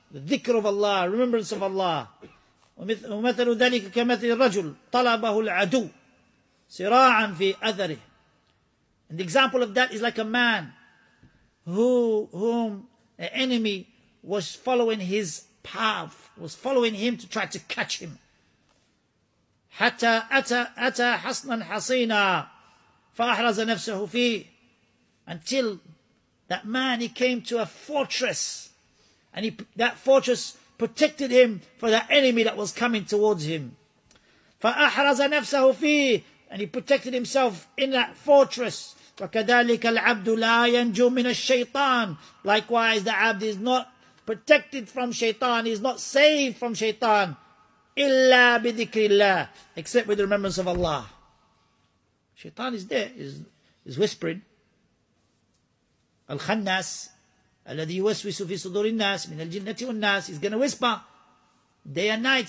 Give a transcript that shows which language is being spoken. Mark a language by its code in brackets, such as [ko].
[en] The dhikr of Allah, remembrance of Allah. [ar] وَمَثَلُ ذَلِكَ كَمَثِلِ الرَّجُلِ طَلَبَهُ الْعَدُوُ صِرَاعًا فِي أَذَرِهِ. [en] And the example of that is like a man whom an enemy was following his path, was following him to try to catch him. [ar] حتى أتى حصناً حصيناً فأحرز نفسه فيه. [en] Until that man, he came to a fortress, and that fortress protected him from that enemy that was coming towards him. [ar] فأحرز نفسه فيه, [en] and he protected himself in that fortress. [ar] وكذلك العبد لا ينجو من الشيطان. [en] Likewise, the abd is not protected from shaitan, is not saved from shaitan, [ar] illa bidhikrillah, [en] except with the remembrance of Allah. Shaitan is there, is whispering. Al-khannas, [ar] alladhi yuwaswisu fi sudurin nas min al-jinnati wan nas, [en] is going to whisper. day and night.